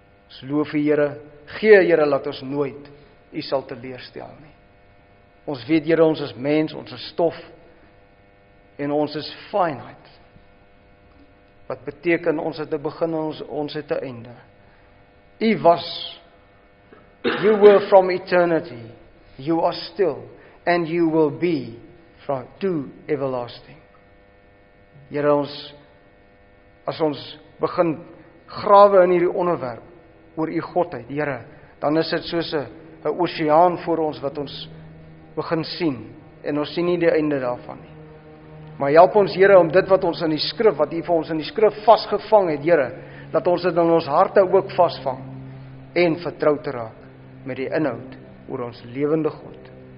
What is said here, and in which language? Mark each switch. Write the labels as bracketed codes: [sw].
[af] Ons loof U, Here, gee, Here, laat ons nooit U sal teleerstel nie. Ons weet, Here, ons is mens, ons is stof, en ons is finite, wat beteken ons het 'n begin en ons het 'n einde. U was, [en] you were from eternity, you are still, and you will be from to everlasting. [af] Here ons, as ons begin grawe in hierdie onderwerp, oor die Godheid, Here, dan is dit soos 'n oseaan voor ons, wat ons begin sien, en ons sien nie die einde daarvan nie. Maar help ons, Here, om dit wat ons in die skrif, wat U vir ons in die skrif vasgevang het, Here, dat ons dit in ons harte ook vasvang, en vertrou te raak met die inhoud oor ons lewende God.